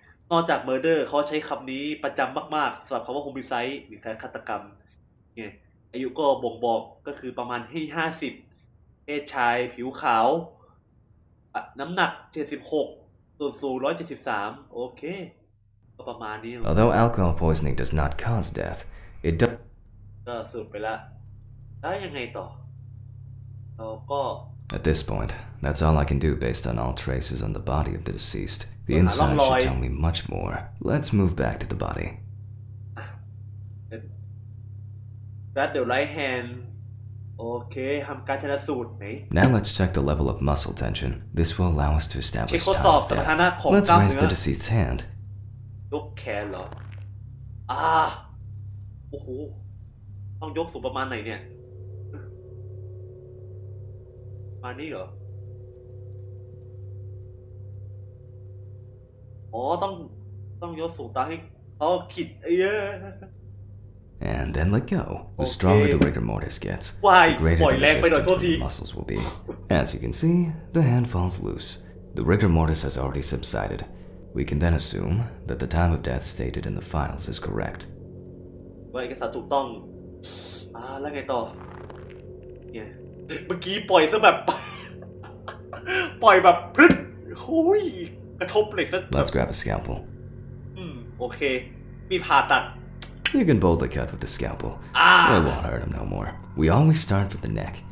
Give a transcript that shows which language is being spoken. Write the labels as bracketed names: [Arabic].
[Thai] นอกจาก murder เขาใช้คำนี้ประจำมากๆสำหรับคำว่า homicide หรือการฆาตกรรมเนี่ยอายุก็บ่งบอกก็คือประมาณให้50เพศชายผิวขาวน้ำหนัก76ส่วนสูง173โอเคก็ประมาณนี้ [English] Although alcohol poisoning does not cause death it does [Thai] ก็สูดไปละแล้วยังไงต่อเราก็ [English] At this point that's all I can do based on all traces on the body of the decedentThe inside should tell me much more. Let's move back to the body. That the right hand. [Thai] Okay, ทำการชันสูตรไหม [English] Now let's check the level of muscle tension. This will allow us to establish time of death. [Thai] เช็คข้อสอบสถานะของกล้ามเนื้อ [English] Let's raise the deceased's hand. [Thai] ยกแขนเหรอโอ้โหต้องยกสูงประมาณไหนเนี่ยมานี่เหรออ๋อต้องยกสูงตาให้เขาขีดเยอะ [English] And then let go. The stronger the rigor mortis gets, Why? the greater Boy, the resistance the muscles will be. As you can see, the hand falls loose. The rigor mortis has already subsided. We can then assume that the time of death stated in the files is correct. [Thai] ว่าเอกสารถูกต้องแล้วไงต่อเนี่ยเมื่อกี้ปล่อยซะแบบปล่อยแบบพึ่งโอ้ย [English] Let's grab a scalpel. [Thai] โอเคมีผ่าตัด [English] You can boldly cut with the scalpel. Ah. It won't hurt him no more. We always start with the neck.